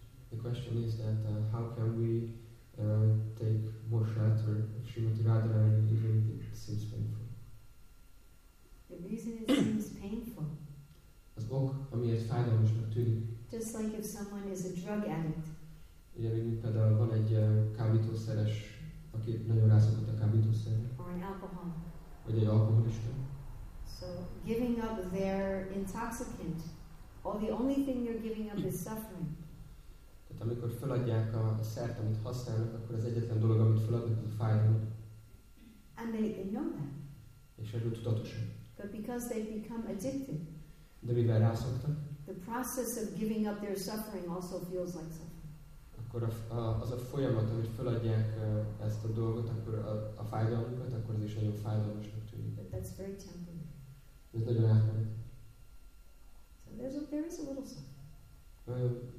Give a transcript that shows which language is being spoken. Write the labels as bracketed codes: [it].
[en] The question is that how can we take more shelter of Srimati Radharani even if it seems painful? The reason it seems painful. [hu] Az ok, amiért fájdalmasnak tűnik. [en] Just like if someone is a drug addict. [hu] Ugye, mint például van egy kábítószeres, aki nagyon rászokott a kábítószerre. [en] Or an alcoholic. [hu] Vagy egy alkoholista. [en] So giving up their intoxicant, or the only thing you're giving up is suffering. [hu] Tehát amikor feladják a szert, amit használnak, akkor az egyetlen dolog, amit feladnak, az a fájdalom. [en] And they know that. [hu] És erről tudatosan. [en] But because they become addicted. [hu] De mivel rászoktak? [en] The process of giving up their suffering also feels like suffering. [hu] Akkor az a folyamat, hogy feladják ezt a dolgot, akkor a fájdalmukat, akkor az is nagyon fájdalmasnak tűnik. [en] But that's very temporary. [hu] Ez nagyon átmenet. [en] So there is a little suffering.